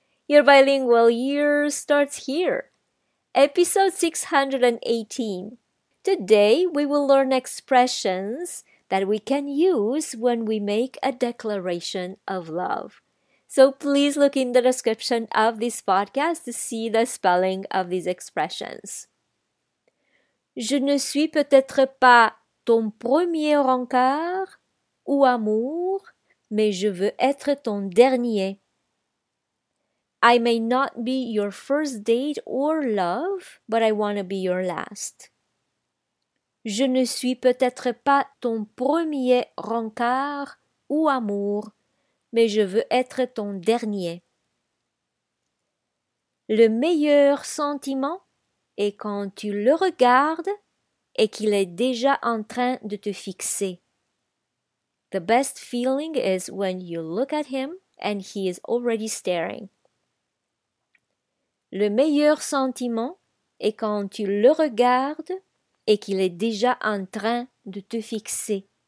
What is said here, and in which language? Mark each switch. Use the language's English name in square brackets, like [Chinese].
[English] Your bilingual year starts here. Episode 618. Today we will learn expressions that we can use when we make a declaration of love. So please look in the description of this podcast to see the spelling of these expressions. [French] Je ne suis peut-être pas ton premier rencard ou amour, mais je veux être ton dernier. [English] I may not be your first date or love, but I want to be your last. [French] Je ne suis peut-être pas ton premier rencard ou amour, mais je veux être ton dernier. Le meilleur sentiment est quand tu le regardes et qu'il est déjà en train de te fixer. [English] The best feeling is when you look at him and he is already staring. [French] Le meilleur sentiment est quand tu le regardes et qu'il est déjà en train de te fixer.